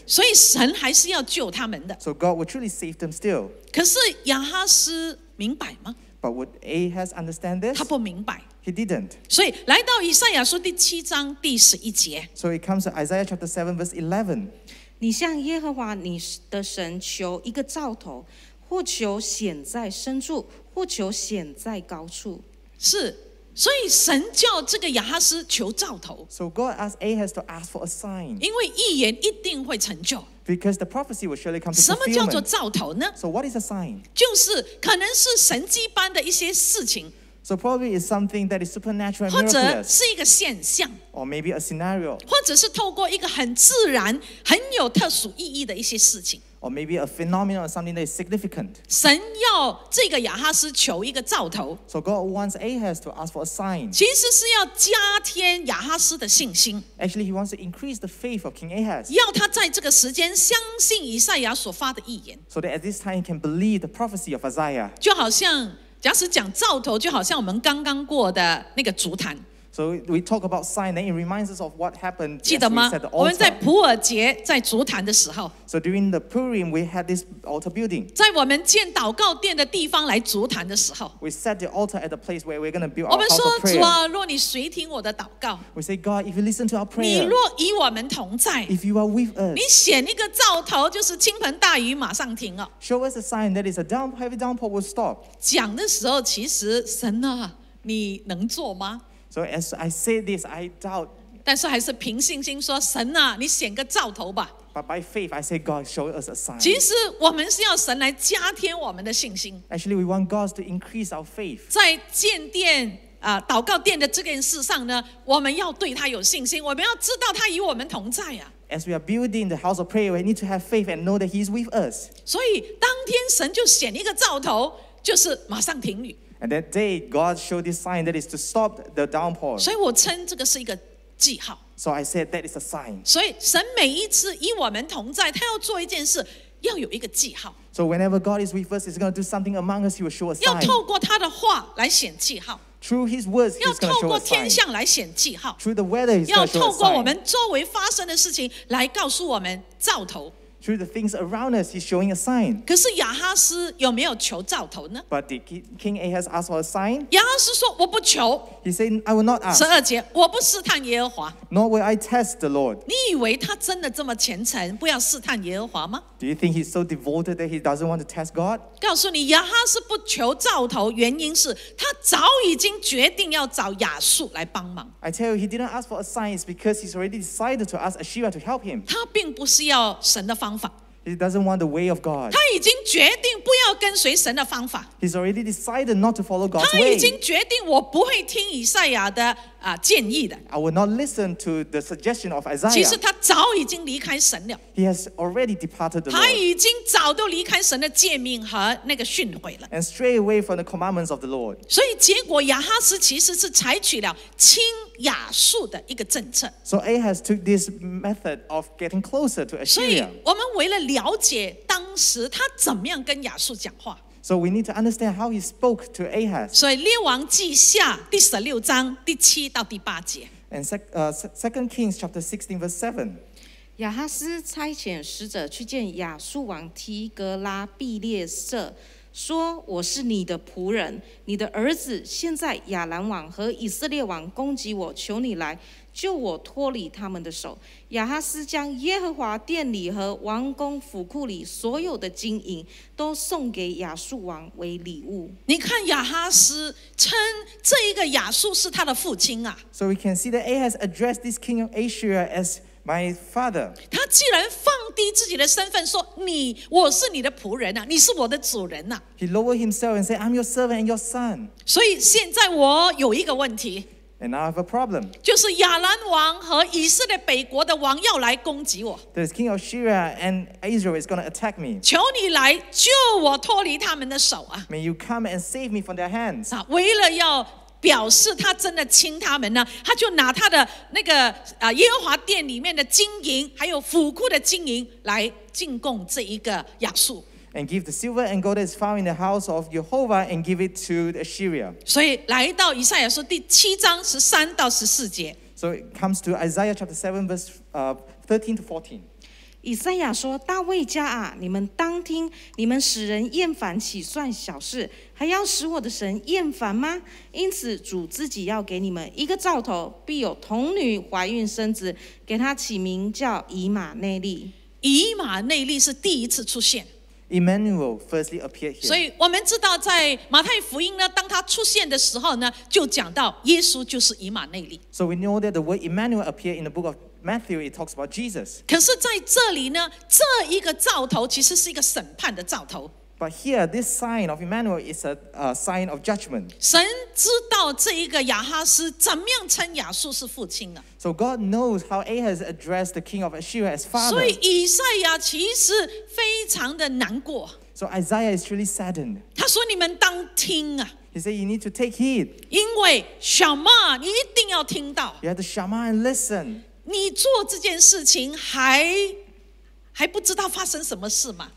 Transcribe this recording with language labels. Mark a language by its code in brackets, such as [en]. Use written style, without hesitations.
[zh] 所以神还是要救他们的。 [en] So God will truly save them still. [zh] 可是亚哈斯明白吗？ [en] But would Ahaz understand this? [zh] 他不明白。 [en] He didn't. [zh] 所以来到以赛亚书第七章第十一节。 [en] So it comes to Isaiah chapter 7 verse 11. [zh] 你向耶和华你的神求一个兆头。或求显在深处，或求显在高处。是，所以神叫这个亚哈斯求兆头。 [en] So God asked Ahaz to ask for a sign. [zh] 因为预言一定会成就。 [en] Because the prophecy will surely come to fulfillment. [zh] 什么叫做兆头呢？ [en] So what is a sign? [zh] 就是可能是神迹般的一些事情。 [en] So probably it's something that is supernatural and miraculous. [zh] 或者是一个现象。 [en] Or maybe a scenario. [zh] 或者是透过一个很自然、很有特殊意义的一些事情。 [en] Or maybe a phenomenon or something that is significant. [zh] 神要这个亚哈斯求一个兆头。 [en] So God wants Ahaz to ask for a sign. [zh] 其实是要加添亚哈斯的信心。 [en] Actually, he wants to increase the faith of King Ahaz. [zh] 要他在这个时间相信以赛亚所发的预言。 [en] So that at this time he can believe the prophecy of Isaiah. [zh] 就好像，假使讲兆头，就好像我们刚刚过的那个烛坛。 [en] So we talk about sign, then it reminds us of what happened. [zh] 记得吗？ [en] As we set the altar. [zh] 我们在普尔节在烛坛的时候。 [en] So during the Purim, we had this altar building. [zh] 在我们建祷告殿的地方来烛坛的时候。 [en] We set the altar at the place where we're going to build our house of prayer. [zh] 我们说主啊，若你随听我的祷告。 [en] We say God, if you listen to our prayer. [zh] 你若与我们同在。 [en] If you are with us. [zh] 你显一个兆头，就是倾盆大雨马上停哦。 [en] Show us a sign that is a down heavy downpour will stop. [zh] 讲的时候，其实神啊，你能做吗？ [en] So as I say this, I doubt. [zh] 但是还是凭信心说，神啊，你显个兆头吧。 [en] But by faith, I say God show us a sign. [zh] 其实我们是要神来加添我们的信心。 [en] Actually, we want God to increase our faith. [zh] 在建殿祷告殿的这件事上呢，我们要对他有信心，我们要知道他与我们同在啊。 [en] As we are building the house of prayer, we need to have faith and know that He is with us. [zh] 所以当天神就显一个兆头，就是马上停雨。 [en] And that day, God showed this sign that is to stop the downpour. [zh] 所以我称这个是一个记号。 [en] So I said that is a sign. [zh] 所以神每一次与我们同在，他要做一件事，要有一个记号。 [en] So whenever God is with us, He's going to do something among us. He will show a sign. [zh] 要透过他的话来显记号。 [en] Through His words, He's going to show a sign. [zh] 要透过天象来显记号。 [en] Through the weather, He's going to show a sign. [zh] 要透过我们周围发生的事情来告诉我们兆头。 [en] Through the things around us, he's showing a sign. [zh] 可是亚哈斯有没有求兆头呢？ [en] But did King Ahaz ask for a sign? [zh] 亚哈斯说我不求。 [en] He said, I will not ask. [zh] 十二节，我不试探耶和华。 [en] Nor will I test the Lord. [zh] 你以为他真的这么虔诚，不要试探耶和华吗？ [en] Do you think he's so devoted that he doesn't want to test God? [zh] 告诉你，亚哈是不求兆头，原因是他早已经决定要找亚述来帮忙。 [en] I tell you, he didn't ask for a sign. It's because he's already decided to ask Asherah to help him. [zh] 他并不是要神的方法。 [en] He doesn't want the way of God. [zh] 他已经决定不要跟随神的方法。 [en] He's already decided not to follow God's way. [zh] 他已经决定我不会听以赛亚的建议的。 [en] I will not listen to the suggestion of Isaiah. [zh] 其实他早已经离开神了。 [en] He has already departed the [zh] 他已经早都离开神的诫命和那个训诲了。 [en] And stray away from the commandments of the Lord. [zh] 所以结果亚哈斯其实是采取了轻亚述的一个政策。 [en] So Ahaz took this method of getting closer to Assyria. [zh] 所以我们为了了解当时他怎么样跟亚述讲话。 [en] So we need to understand how he spoke to Ahaz. [zh] 所以列王记下第十六章第七到第八节。 [en] And Second Kings chapter 16 verse 7. [zh] 亚哈斯差遣使者去见亚述王提格拉毕列色。说我是你的仆人，你的儿子现在亚兰王和以色列王攻击我，求你来救我脱离他们的手。亚哈斯将耶和华殿里和王宫府库里所有的金银都送给亚述王为礼物。你看亚哈斯称这一个亚述是他的父亲啊。 [en] So we can see that Ahaz addressed this king of Assyria as my father. [zh] 他既然放低自己的身份说你我是你的仆人啊，你是我的主人啊。 [en] He lowered himself and said, I'm your servant and your son. [zh] 所以现在我有一个问题。 [en] And now I have a problem. [zh] 就是亚兰王和以色列北国的王要来攻击我。 [en] There's King of Syria and Israel is going to attack me. [zh] 求你来救我脱离他们的手啊。 [en] May you come and save me from their hands. [zh] 啊，为了要表示他真的亲他们呢，他就拿他的那个耶和华殿里面的金银，还有府库的金银来进贡这一个亚述。 [en] And give the silver and gold that is found in the house of Jehovah and give it to Assyria. [zh] 所以来到以赛亚书第七章十三到十四节。 [en] So it comes to Isaiah chapter 7 verse 13 to 14. [zh] 以赛亚说：“大卫家啊，你们当听！你们使人厌烦，岂算小事？还要使我的神厌烦吗？因此，主自己要给你们一个兆头，必有童女怀孕生子，给他起名叫以马内利。以马内利是第一次出现。” [en] Emmanuel firstly appeared here. [zh] 所以我们知道，在马太福音呢，当他出现的时候呢，就讲到耶稣就是以马内利。 [en] So we know that the word Emmanuel appeared in the book of Matthew, it talks about Jesus. [zh] 可是在这里呢，这一个兆头其实是一个审判的兆头。 [en] But here, this sign of Emmanuel is a sign of judgment. [zh] 神知道这一个亚哈斯怎么样称亚述是父亲啊。 [en] So God knows how Ahaz addressed the king of Assyria as father. [zh] 所以以赛亚其实非常的难过。 [en] So Isaiah is really saddened. [zh] 他说你们当听啊。 [en] He said, you need to take heed. [zh] 因为小马你一定要听到。 [en] You have to shama and listen. [zh] 你做这件事情还不知道发生什么事吗？